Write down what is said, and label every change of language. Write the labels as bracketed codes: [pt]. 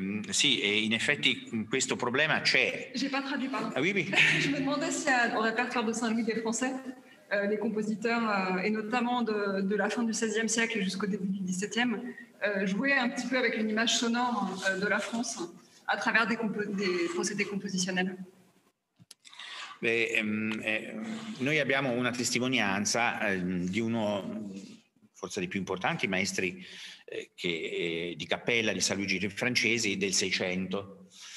[it] Sì, in effetti questo problema c'è. [fr] J'ai pas traduit, pardon. Ah, oui, oui. Je me demandais si au répertoire de Saint-Louis des Français, les compositeurs, et notamment de la fin du XVIe siècle jusqu'au début du XVIIe, jouaient un petit peu avec une image sonore de la France à travers des procédés compositionnels. [it] Noi abbiamo una testimonianza di uno forse dei più importanti maestri di cappella di San Luigi dei Francesi del Seicento,